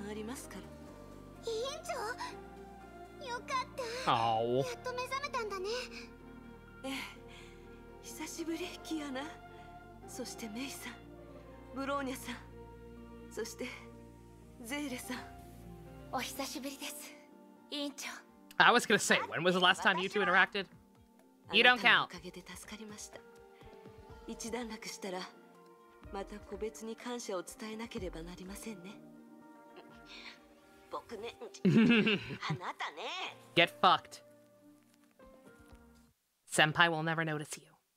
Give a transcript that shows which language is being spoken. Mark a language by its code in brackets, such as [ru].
[ja] しきちゃん、今は冗談を言っている場合ではありません。これからやらなければいけないことがまだまだたくさんありますから。委員長。 [en] I was gonna say, when was the last time you two interacted? You don't count. [ja] あなたのおかげで助かりました。一段落したらまた個別に感謝を伝えなければなりませんね。 [en] Get fucked. Senpai will never notice you.